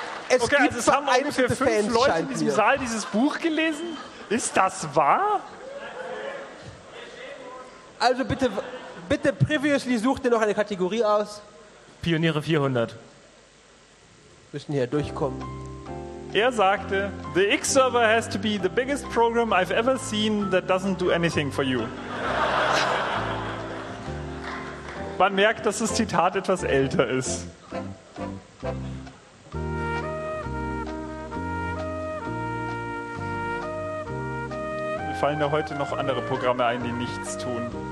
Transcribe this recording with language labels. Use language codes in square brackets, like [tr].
[de] Es okay, gibt also es haben ungefähr 5 Leute in diesem Saal dieses Buch gelesen. Ist das wahr? Also bitte, bitte previously such dir noch eine Kategorie aus. Pioniere 400. Wir müssen hier durchkommen. Er sagte, [en] the X-Server has to be the biggest program I've ever seen that doesn't do anything for you. [de] Man merkt, dass das Zitat etwas älter ist. Mir fallen da heute noch andere Programme ein, die nichts tun.